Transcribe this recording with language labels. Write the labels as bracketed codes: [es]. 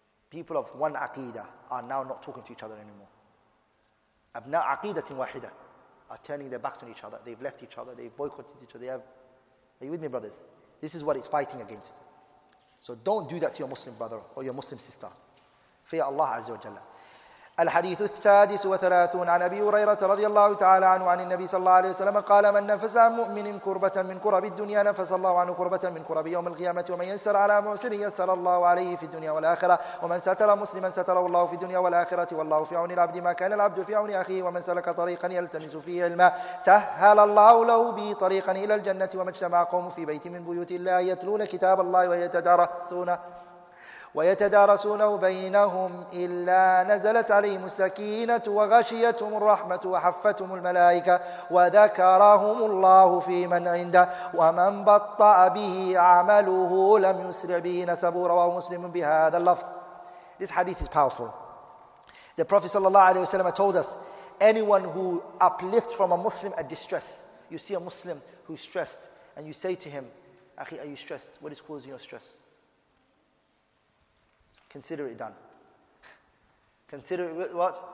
[en] People of one aqeedah are now not talking to each other anymore. Abna aqeedatin wahida are turning their backs on each other. They've left each other. They've boycotted each other. Are you with me, brothers? This is what it's fighting against. So don't do that to your Muslim brother or your Muslim sister. Fear Allah Azza wa Jalla. [ar] الحديث السادس وثلاثون عن أبي هريرة رضي الله تعالى عنه عن النبي صلى الله عليه وسلم قال من نفس عن مؤمن كربة من كرب الدنيا نفس الله عنه كربة من كرب يوم القيامة ومن يسر على محسن يسر الله عليه في الدنيا والآخرة ومن ستر مسلما ستره الله في الدنيا والآخرة والله في عون العبد ما كان العبد في عون أخيه ومن سلك طريقا يلتمس فيه علما سهل الله له به طريقا إلى الجنة ومن اجتمع قوم في بيت من بيوت الله يتلون كتاب الله ويتدارسونه ويتدارسونه بينهم إلا نزلت عليهم السكينة وغشيتهم الرحمة وحفتهم الملائكة وذكرهم الله في من عنده ومن بطأ به عمله لم يسرع به نسبه رواه مسلم بهذا اللفظ. [en] This hadith is powerful. The Prophet sallallahu alaihi wasallam told us, anyone who uplifts from a Muslim a distress, you see a Muslim who's stressed and you say to him, أخي, are you stressed? What is causing your stress? Consider it done. Consider it what?